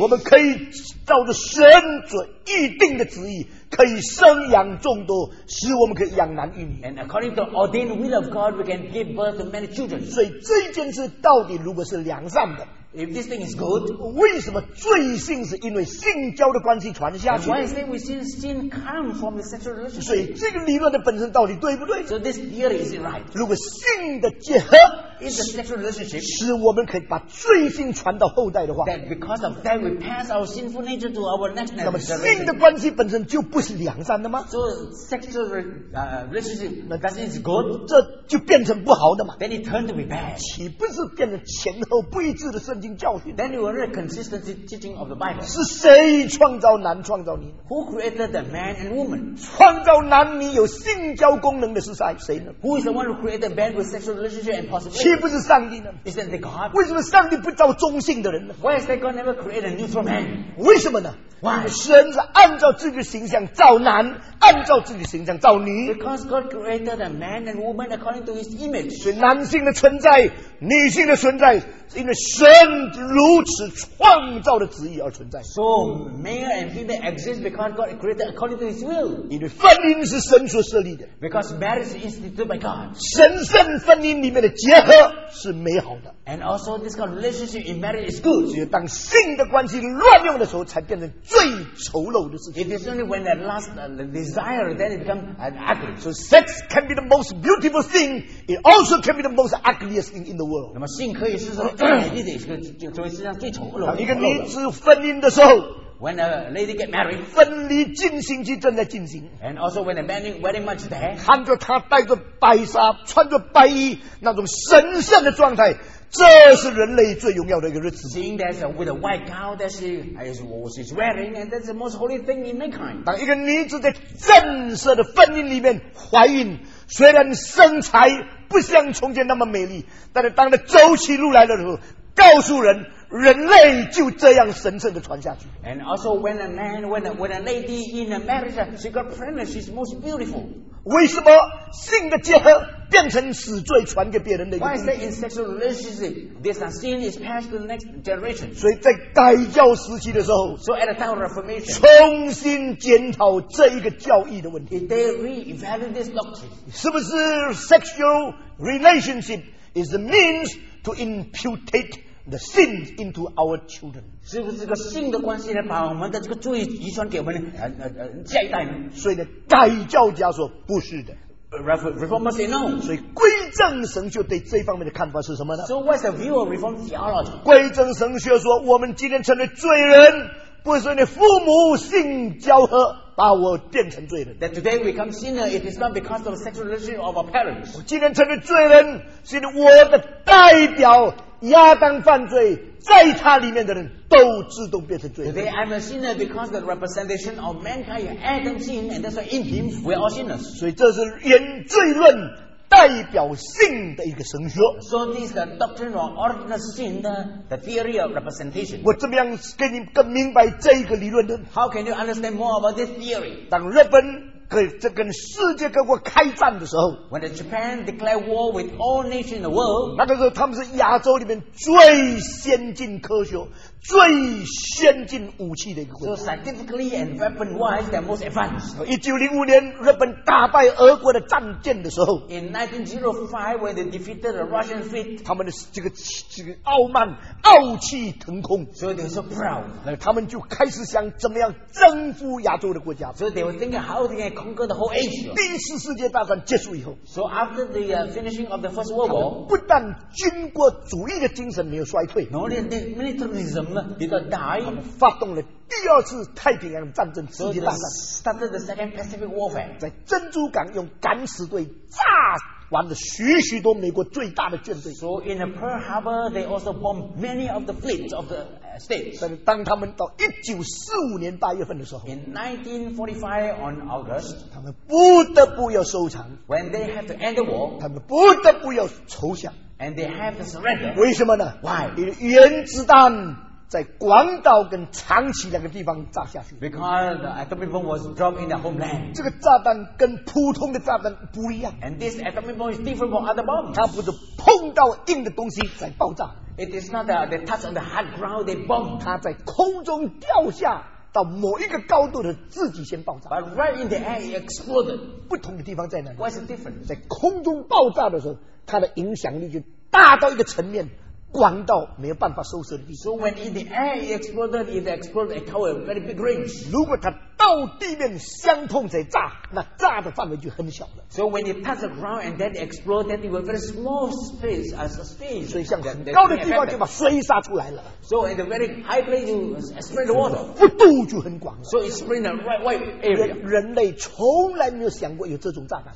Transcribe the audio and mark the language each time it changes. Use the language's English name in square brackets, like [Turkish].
[Chinese] 我们可以照着神所预定的旨意，可以生养众多，使我们可以养男育女。 [English] And according to the ordained will of God, we can give birth to many children. [Chinese] 所以这件事到底如果是良善的？ [English] If this thing is good, [Chinese] 为什么罪性是因为性交的关系传下去 [English] ？Why is it we see sin come from the sexual relationship? [Chinese] 所以这个理论的本身到底对不对 [English] ？So this theory is right. [Chinese] 如果性的结合 [English] is a sexual relationship, [Chinese] 使我们可以把罪性传到后代的话 [English] ，that because of that we pass our sinful nature to our next generation. [Chinese] 那么性的关系本身就不是良善的吗 [English] ？So sexual relationship, [Chinese] 那但是 [English] is good, [Chinese] 这就变成不好的嘛 [English] ？Then it turned to be bad. [Chinese] 岂不是变成前后不一致的圣？ [English] Then you will read consistent teaching of the Bible. [Chinese] 是谁创造男创造女 [English] ？Who created the man and woman? [Chinese] 创造男女有性交功能的是谁呢 [English] ？Who is the one who created man with sexual relationship and possibility? [Chinese] 岂不是上帝呢 [English] ？Isn't the God? [Chinese] 为什么上帝不造中性的人呢 [English] ？Why has God never created a neutral man? [Chinese] 为什么呢 [English] ？Why? [Chinese] 神是按照自己的形象造男，按照自己的形象造女。 [English] Because God created the man and woman according to His image. [Chinese] 所以男性的存在，女性的存在。因为神如此创造的旨意而存在 [English] So male and female exist because God created according to his will [Chinese] 因为婚姻是神所设立的 [English] Because marriage is instituted by God [Chinese] 神圣婚姻里面的结合是美好的 [English] And also this kind of relationship in marriage is good [Chinese] 只有当性的关系乱用的时候才变成最丑陋的事情 [English] It is only when that lust the desire then it becomes ugly So sex can be the most beautiful thing It also can be the most ugliest thing in the world [Chinese] 那么性可以是说成为世上最丑陋一个女子婚姻的时候 [English] when a lady get married [Chinese] 分离进行期正在进行 [English] and also when the wedding march there [Chinese] 看着她戴着白纱穿着白衣那种神圣的状态这是人类最荣耀的一个日子 [English] seeing that with a white gown that she's wearing and that's the most holy thing in mankind [Chinese] 当一个女子在正式的婚姻里面怀孕虽然身材不像从前那么美丽但是当她走起路来的时候告诉人人类就这样神圣的传下去 [English] and also when a lady in a marriage she got pregnant she's most beautiful [Chinese] 为什么性的结合变成死罪传给别人的一个工具？ [English] Why is that in sexual relationship? This sin is passed to the next generation. [Chinese] 所以在改教时期的时候， [English] So at the time of Reformation, [Chinese] 重新检讨这一个教义的问题。 [English] If they re-evaluate this doctrine, [Chinese] 是不是 [English] sexual relationship is the means to imputate the sins into our children? [Chinese] 是不是这个性的关系呢，把我们的这个罪遗传给我们下一代呢？所以呢，改教家说不是的。 [English] Reformer say no. [Chinese] 所以归正神学对这方面的看法是什么呢？ [English] So what's the view of Reformed theology? [Chinese] 归正神学说，我们今天成了罪人，不是因为父母性交合把我变成罪人。 [English] That today we become sinner, it is not because of sexual relationship of our parents. [Chinese] 我今天成了罪人，是因为我的代表亚当犯罪，在他里面的人都自动变成罪人。 [English] Today I'm a sinner because the representation of mankind, Adam sin, and that's why in him we're all sinners. [Chinese] 所以这是原罪论代表性的一个神学。 [English] So this is the doctrine of original sin, the theory of representation. [Chinese] 我怎么样给你更明白这一个理论呢？ [English] How can you understand more about this theory? [Chinese] 当日本跟世界各国开战的时候， [English] When the Japan declared war with all nations in the world, [Chinese] 那个时候他们是亚洲里面最先进科学、最先进武器的一个国家。 [English] So scientifically and weapon wise, they're most advanced. [Chinese] 1905年日本打败俄国的战舰的时候， [English] In 1905, when they defeated the Russian fleet, [Chinese] 他们的这个傲慢、傲气腾空。 [English] So they're so proud. [Chinese] 他们就开始想怎么样征服亚洲的国家。 [English] So they were thinking how they conquer the whole Asia. [Chinese] 第一次世界大战结束以后， [English] So after the finishing of the First World War, [Chinese] 不但军国主义的精神没有衰退， [English] No, the militarism did not die. [Chinese] 发动了第二次太平洋战争，世界大战， [English] So after the Second Pacific Warfare, [Chinese] 在珍珠港用敢死队炸完了许许多美国最大的舰队。 [English] So in the Pearl Harbor, they also bombed many of the fleets of the states. [Chinese] 但是当他们到1945年8月份的时候， [English] In 1945 on August, [Chinese] 他们不得不要收场。 [English] When they have to end the war, [Chinese] 他们不得不要投降。 [English] And they have to surrender. [Chinese] 为什么呢？ [English] Why? [Chinese] 因为原子弹在广岛跟长崎两个地方炸下去。 [English] Because the atomic bomb was dropped in their homeland. [Chinese] 这个炸弹跟普通的炸弹不一样。 [English] And this atomic bomb is different from other bombs. [Chinese] 它不是碰到硬的东西才爆炸。 [English] It is not that they touch on the hard ground, they bomb. [Chinese] 它在空中掉下到某一个高度的自己先爆炸。 [English] But right in the air, it exploded. [Chinese] 不同的地方在哪里？ [English] What's the difference? [Chinese] 在空中爆炸的时候，它的影响力就大到一个层面。广岛没有办法收拾的地方。 [English] So when in the air it exploded, it exploded it covered a very big range. [Chinese] 如果它到地面相碰再炸，那炸的范围就很小了。 [English] So when it touched the ground and then exploded, then it was very small space as a space. [Chinese] 所以像很高的地方就把水洒出来了。 [English] So at a very high place you spread the water. [Chinese] 幅度就很广了。 [English] So it spread a wide, wide area. [Chinese] 人类从来没有想过有这种炸弹。